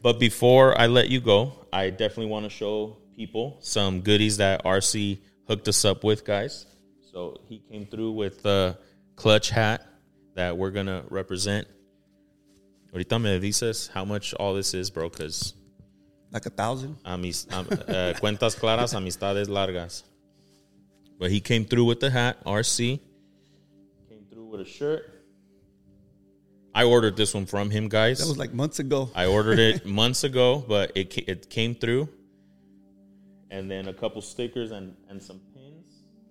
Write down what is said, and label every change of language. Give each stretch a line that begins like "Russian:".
English: But before I let you go, I definitely want to show people some goodies that RC hooked us up with, guys. So he came through with a clutch hat that we're going to represent.
Spanish: Ahorita me dices
English: how much all this is, bro, because... Like 1,000.
Spanish: cuentas claras, amistades largas.
English: But he came through with the hat, RC. A shirt. I ordered this one from him, guys. That was like months ago. I ordered it months ago, but it came through. And then a couple stickers and some pins.